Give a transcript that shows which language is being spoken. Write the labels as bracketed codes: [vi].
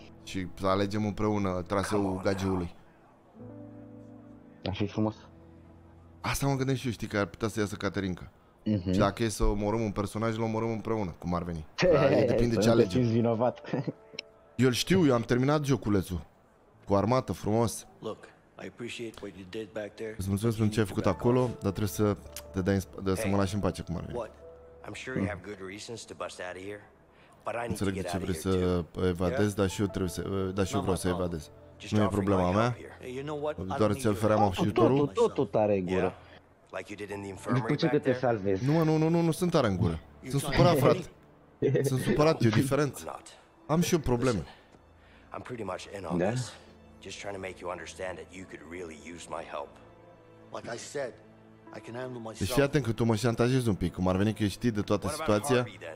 [ro] Și să alegem împreună traseul gagiului. Ar fi frumos. Asta mă gândesc și eu, știi, că ar putea să iasă Caterinca. Și dacă e să omorâm un personaj, îl omorâm împreună, cum ar veni. Dar depinde ce alegem. Eu îl știu, eu am terminat joculețul. Cu armată, frumos. [en] Look, I appreciate what you did back there. [ro] Îți mulțumesc pentru ce ai făcut acolo, dar trebuie să te dai să mă lași în pace, cum ar veni. [en] I'm sure you have good reasons to bust out of here, but I need [ro] înțeleg [en] to get out of here [ro] să evadez, dar și eu trebuie să, dar și eu vreau să evadez. Just nu e problema mea. [en] You know what? [ro] Doar ți-l feream ajutorul. Totul tare în gură. [en] Like you did in the infirmary. [ro] Nu te salvezi. Nu, nu, nu, nu, nu sunt tare în gură. Sunt supărat, frate. Sunt supărat, e o diferență. Am și eu probleme. [en] I'm pretty much in on this. Just trying to make you understand that you could really use my help. Like I said, I can handle myself. [ro] Deci fii atent că tu mă șantajezi un pic, cum ar veni că ești știi de toată situația.